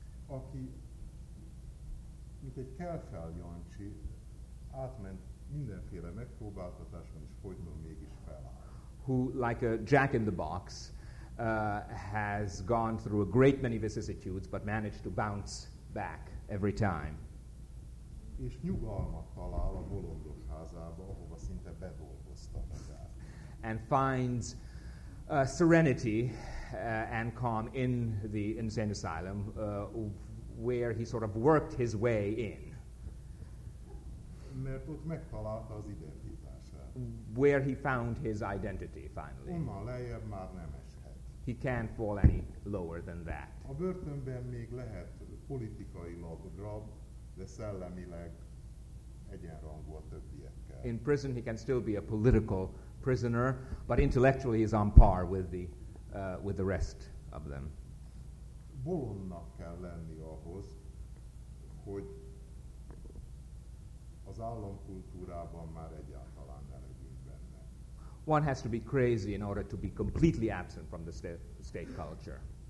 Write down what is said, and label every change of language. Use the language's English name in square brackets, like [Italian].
[Hungarian] Aki, mint egy kelfel Jancsi, átment mindenféle megpróbáltatáson, és folyton mégis feláll. [English] Who, like a jack-in-the-box, has gone through a great many vicissitudes, but managed to bounce back every time. [Hungarian] És nyugalmat talál a bolondok házába, ahova szinte bedolgozta magát. [English] and finds serenity and calm in the insane asylum, where he sort of worked his way in. [Hungarian] Mert ott megtalálta az identitását. [English] Where he found his identity, finally. [Hungarian] Onnan lejjebb már nem eshet. [English] He can't fall any lower than that. [Hungarian] A börtönben még lehet politikailag rab, de szellemileg egyenrangú a többiekkel. [English] In prison he can still be a political prisoner, but intellectually is on par with the rest of them. [Hungarian] Bolondnak kell lenni ahhoz, hogy az államkultúrában már egyáltalán ne legyünk benne. [English] One has to be crazy in order to be completely absent from the state culture.